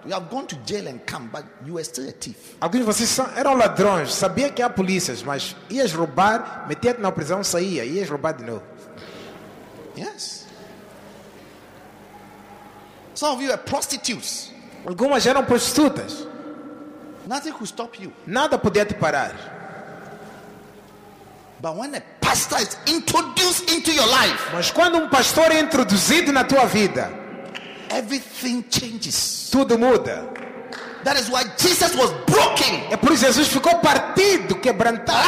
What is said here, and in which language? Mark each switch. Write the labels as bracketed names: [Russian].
[English] You have gone to jail and come, but you were still a thief. [Portuguese] Alguns de vocês eram ladrões. Sabia que há polícias, mas ias roubar, metia-te na prisão, saía, ias roubar de novo. [English] Yes. Some of you were prostitutes. [Portuguese] Algumas eram prostitutas. [English] Nothing could stop you. [Portuguese] Nada podia te parar. [English] But when a pastor is introduced into your life, [Portuguese] mas quando pastor é introduzido na tua vida, [English] everything changes. [Portuguese] Tudo muda. [English] That is why Jesus was broken. [Portuguese] É por isso que Jesus ficou partido, quebrantado.